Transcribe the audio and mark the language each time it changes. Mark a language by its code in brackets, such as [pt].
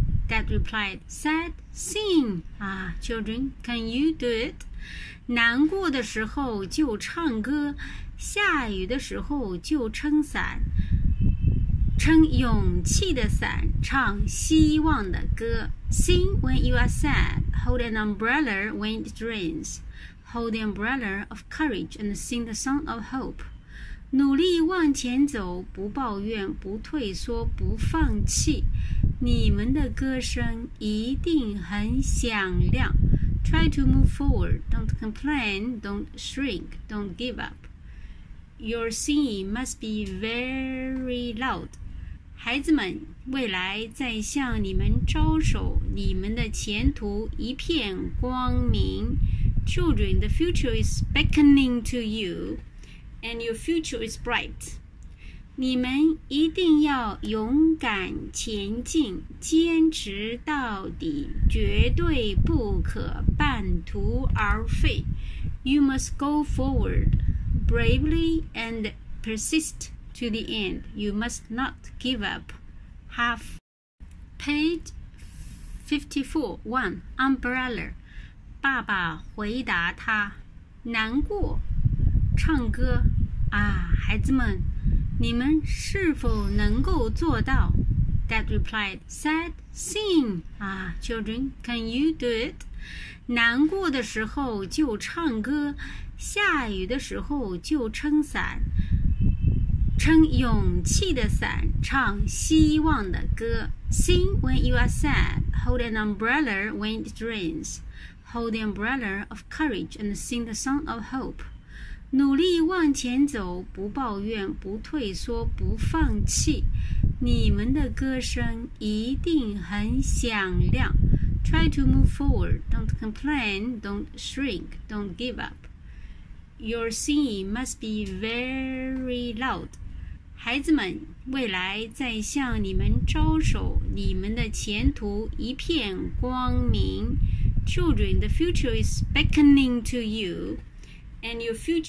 [en] Dad replied, sad, sing. 啊 ,children, can you do it? [zh] 难过的时候就唱歌，下雨的时候就撑伞。撑勇气的伞，唱希望的歌。 [en] Sing when you are sad. Hold an umbrella when it rains. Hold the umbrella of courage and sing the song of hope. [zh] 努力往前走，不抱怨，不退缩，不放弃。你们的歌声一定很响亮。 [en] Try to move forward. Don't complain. Don't shrink. Don't give up. Your singing must be very loud. [zh] 孩子们，未来在向你们招手，你们的前途一片光明。 [en] Children, the future is beckoning to you, and your future is bright. [zh] 你们一定要勇敢前进，坚持到底，绝对不可半途而废。 [en] You must go forward bravely and persist. To the end, you must not give up. Half. Page 54, one, umbrella. [zh] 爸爸回答他，难过，唱歌。啊，孩子们，你们是否能够做到？ [en] Dad replied, sad, sing. 啊 ,children, can you do it? [zh] 难过的时候就唱歌，下雨的时候就撑伞。撑勇气的伞，唱希望的歌。 [en] Sing when you are sad. Hold an umbrella when it rains. Hold the umbrella of courage and sing the song of hope. [zh] 努力往前走，不抱怨，不退缩，不放弃。你们的歌声一定很响亮。 [en] Try to move forward. Don't complain. Don't shrink. Don't give up. Your singing must be very loud. [zh] 孩子们，未来在向你们招手，你们的前途一片光明。 Children, the future is beckoning to you, and your future